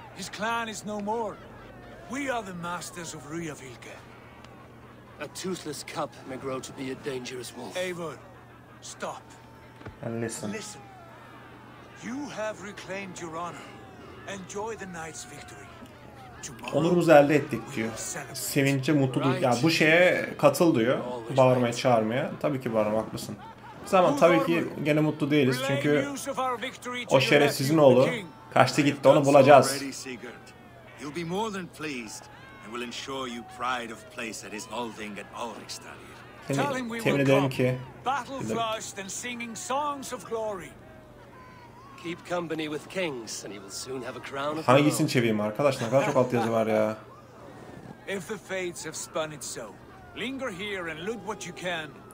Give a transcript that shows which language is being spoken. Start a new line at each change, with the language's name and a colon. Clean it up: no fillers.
English: His clan is no more. We are the masters of Ruyavilke. A toothless cub may grow to be a dangerous wolf. Eivor, stop. And listen. Listen. You have reclaimed your honor. Enjoy the night's victory.
Turkish: Onurumuzu elde ettik diyor. Sevinçle mutludur. Ya bu şeye katıl diyor. Bağırmaya, çağırmaya. Tabii ki bağırmak haklısın. Ama tabii ki gene mutlu değiliz çünkü o şerefsizin oğlu kaçtı gitti, onu bulacağız.
English: You'll be more than pleased and will ensure you pride of place at his holding at Ulrichstadir.
Turkish: Temin ederim ki.
English: Battle flushed and singing songs of glory. Keep company with kings and he will soon have a crown.
Turkish: Hangisini çevireyim arkadaş, ne kadar çok alt yazı var ya.
English: If the fates have spun it so, linger here and loot what you can.